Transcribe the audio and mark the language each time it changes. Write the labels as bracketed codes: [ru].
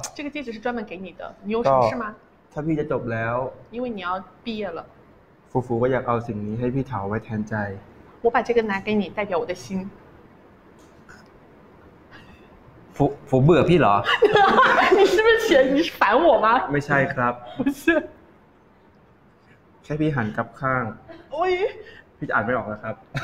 [zh] 这个戒指是专门给你的你有什么事吗 [th] ถ้าพี่จะจบแล้ว [zh] 因为你要毕业了 [th] ฟูฟูก็อยากเอาสิ่งนี้ให้พี่เถาไว้แทนใจ [zh] 我把这个拿给你代表我的心 [th] ฟูเบื่อพี่เหรอ [zh] 你是不是嫌你是烦我吗 [th] ไม่ใช่ครับ [zh] 不是 [th] แค่พี่หันกลับข้าง โอ้ย พี่อ่านไม่ออกนะครับ